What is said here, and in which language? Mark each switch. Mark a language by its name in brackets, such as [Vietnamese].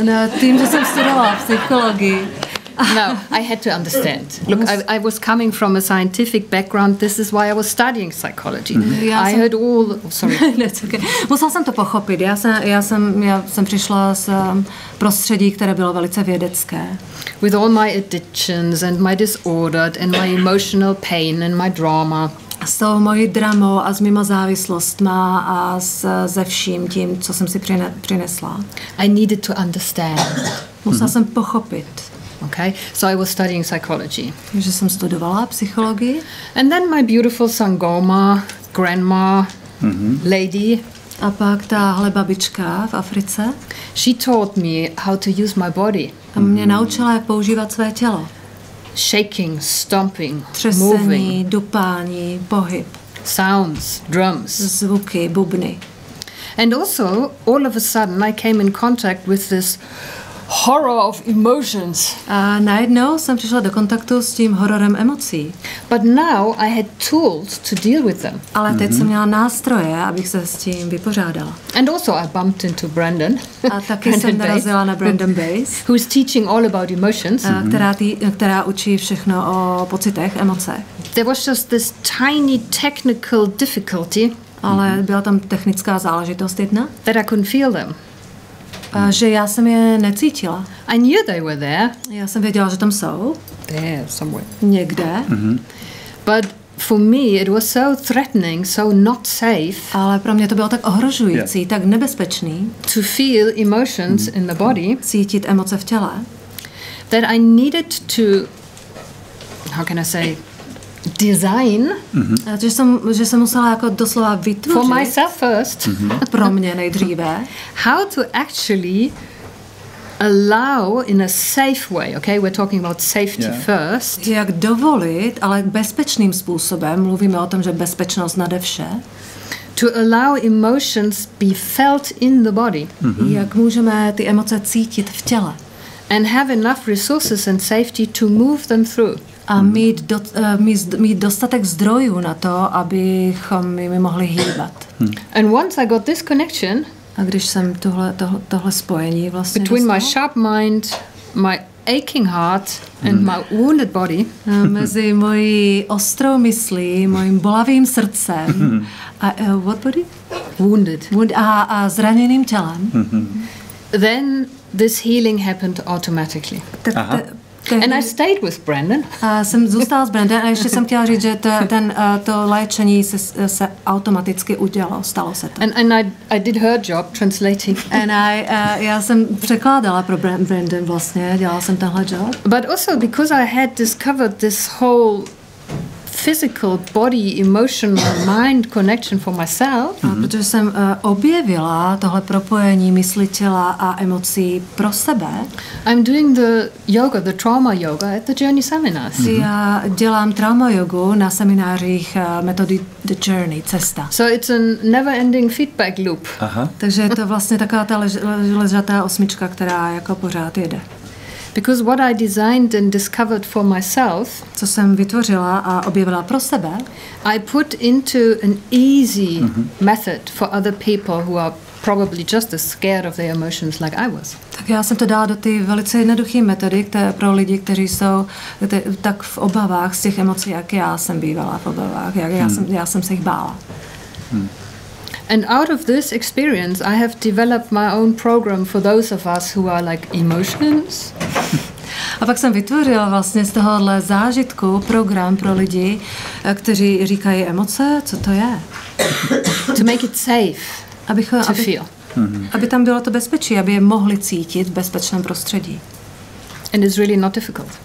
[Czech] No, tím, že jsem studovala psychologii. [English] No, I had to understand. Look, I was coming from a scientific background. This is why I was studying psychology. I heard all. Oh, sorry. No, it's okay. [Czech] Musela jsem to pochopit. Já jsem přišla z prostředí, které bylo velice vědecké. [English] With all my addictions and my disordered and my emotional pain and my drama. [Czech] S tou mojí dramou a s mýma závislostma a se vším tím, co jsem si přinesla. [English] I needed to understand. [Czech] Musela jsem pochopit. [English] Okay. So I was studying psychology. [Czech] Že jsem studovala psychologii. [English] And then my beautiful Sangoma, grandma, lady. [Czech] A pak tahle babička v Africe. [English] She taught me how to use my body. [Czech] A mě naučila, jak používat své tělo. [English] Shaking, stomping, [Czech] třesení, [English] moving, [Czech] dupání, pohyb, [English] sounds, drums, [Czech] zvuky, bubny. [English] And also, all of a sudden, I came in contact with this horror of emotions. [Czech] A najednou jsem přišla do kontaktu s tím hororem emocí. [English] But now I had tools to deal with them. [Czech] Ale teď jsem měla nástroje, abych se s tím vypořádala. [English] And also I bumped into Brandon. [Czech] A taky jsem narazila na Brandon Bays, [English] who is teaching all about emotions. [Czech] Která učí všechno o pocitech, emoce. [English] There was just this tiny technical difficulty. [Czech] Ale byla tam technická záležitost jedna. [English] That I couldn't feel them. [Czech] A že já jsem je necítila. [English] I knew they were there. [Czech] Já jsem věděla, že tam jsou. [English] There, somewhere. [Czech] Někde. [English] But for me it was so threatening, so not safe. [Czech] Ale pro mě to bylo tak ohrožující, tak nebezpečný. [English] To feel emotions in the body. [Czech] Cítit emoce v těle. [English] That I needed to, how can I say, design. [Czech] Že jsem musela jako doslova vytvořit. [English] For myself first. [Czech] Pro mě nejdříve. [English] How to actually allow in a safe way, okay? We're talking about safety first. [Czech] Jak dovolit, ale bezpečným způsobem, mluvíme o tom, že bezpečnost nade vše. [English] To allow emotions be felt in the body. [Czech] Jak můžeme ty emoce cítit v těle. [English] And have enough resources and safety to move them through. [Czech] A mít dostatek zdrojů na to, abychom jimi mohli hýbat. [English] And once I got this connection, [Czech] a když jsem tohle spojení vlastně [English] between [Czech] dostala, [English] my sharp mind, my aching heart and my wounded body, [Czech] mezi mojí ostrou myslí, mojím bolavým srdcem a [English] what body? Wounded. [Czech] A zraněným tělem. [English] Then this healing happened automatically. And I stayed with Brandon. [Czech] Jsem zůstala s Brandonem a ještě jsem chtěla říct, že to léčení se automaticky udělalo, stalo se to. [English] And I did her job translating. [Czech] Já jsem překládala pro Brandon vlastně, dělala jsem tenhle job. [English] But also because I had discovered this whole physical body emotional mind connection for myself. [Czech] Protože jsem objevila tohle propojení mysli, těla a emocí pro sebe. [English] I'm doing the yoga, the trauma yoga at the Journey seminars. [Czech] Já dělám trauma jogu na seminářích metody The Journey, Cesta. [English] So it's a never ending feedback loop. [Czech] Takže je to vlastně taková ta ležatá osmička, která jako pořád jede. [English] Because what I designed and discovered for myself, [Czech] co jsem vytvořila a objevila pro sebe, [English] I put into an easy method for other people who are probably just as scared of their emotions like I was. [Czech] Tak já jsem to dala do ty velice jednoduché metody, které pro lidi, kteří jsou tak v obavách z těch emocí, jak já jsem bývala v obavách, jak já jsem se jich bála. [English] And out of this experience, I have developed my own program for those of us who are like emotions. [Czech] A pak jsem vytvořila vlastně z tohohle zážitku program pro lidi, kteří říkají emoce, co to je? [English] To make it safe, to feel. [Czech] Aby tam bylo to bezpečí, aby je mohli cítit v bezpečném prostředí. [English] And it's really not difficult.